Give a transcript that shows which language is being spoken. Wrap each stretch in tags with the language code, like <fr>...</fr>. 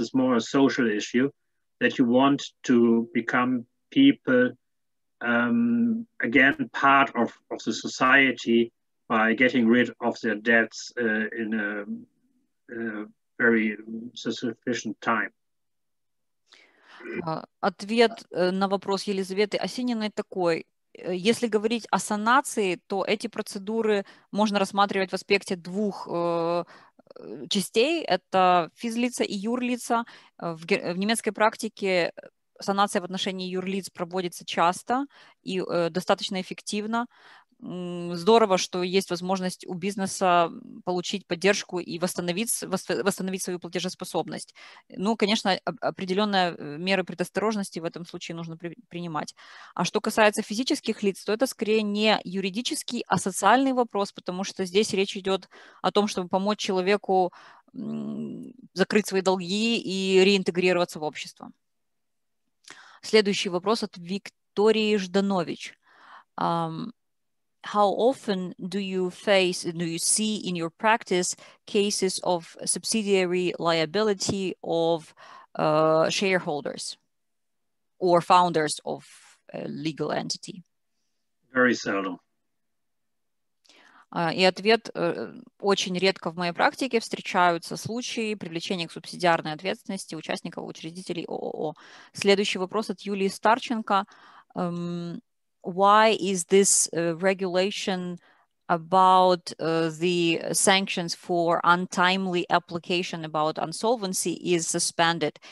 <en>It's more a social issue that you want to become people again part of the society by getting rid of their debts in a very sufficient time.</en> <ru>Ответ на вопрос Елизаветы Осининой такой. Если говорить о санации, то эти процедуры можно рассматривать в аспекте двух частей. Это физлица и юрлица. В немецкой практике санация в отношении юрлиц проводится часто и достаточно эффективно. Здорово, что есть возможность у бизнеса получить поддержку и восстановить свою платежеспособность. Ну, конечно, определенные меры предосторожности в этом случае нужно принимать. А что касается физических лиц, то это скорее не юридический, а социальный вопрос, потому что здесь речь идет о том, чтобы помочь человеку закрыть свои долги и реинтегрироваться в общество. Следующий вопрос от Виктории Жданович.</ru> <en>How often do you see in your practice cases of subsidiary liability of shareholders or founders of a legal entity? Very seldom.</en> <ru>И ответ очень редко в моей практике встречаются случаи привлечения к субсидиарной ответственности участников учредителей ООО. Следующий вопрос от Юлии Старченко.</ru> <en>Why is this regulation about the sanctions for untimely application about insolvency is suspended?</en>